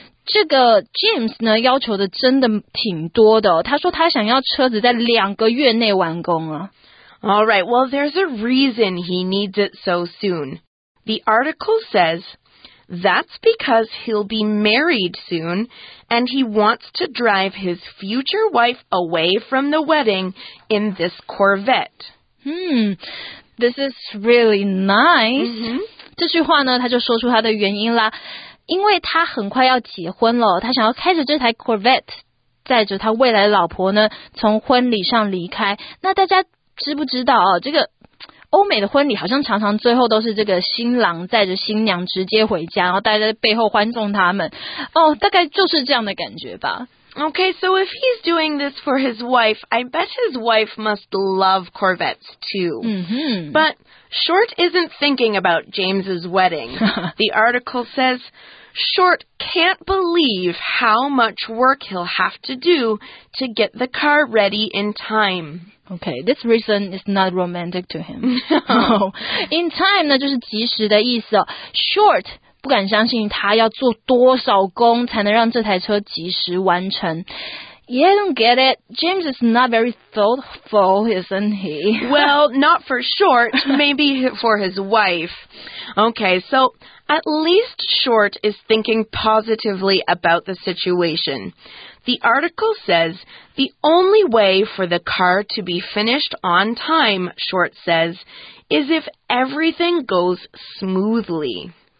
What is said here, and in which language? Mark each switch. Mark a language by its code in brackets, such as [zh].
[zh] 这个 James 呢要求的真的挺多的、哦、他说他想要车子在2个月内完工啊。 [en] Alright, well there's a reason he needs it so soon. The article says, that's because he'll be married soon, and he wants to drive his future wife away from the wedding in this Corvette. This is really nice.、 Mm-hmm. [zh] 这句话呢他就说出他的原因啦。因为他很快要结婚了，他想要开着这台 Corvette 载着他未来的老婆呢从婚礼上离开。那大家知不知道啊、哦、这个欧美的婚礼好像常常最后都是这个新郎载着新娘直接回家，然后大家在背后欢送他们。哦，大概就是这样的感觉吧。 [en] Okay, so if he's doing this for his wife, I bet his wife must love Corvettes too. Mm-hmm. But Short isn't thinking about James's wedding. The article says, Short can't believe how much work he'll have to do to get the car ready in time. Okay, this reason is not romantic to him. No. [zh] In time 呢，就是及时的意思哦。 Short 不敢相信他要做多少工才能让这台车及时完成。 [en] Yeah, I don't get it. James is not very thoughtful, isn't he? Well, not for Short, maybe for his wife. Okay, so at least Short is thinking positively about the situation. The article says, the only way for the car to be finished on time, Short says, is if everything goes smoothly.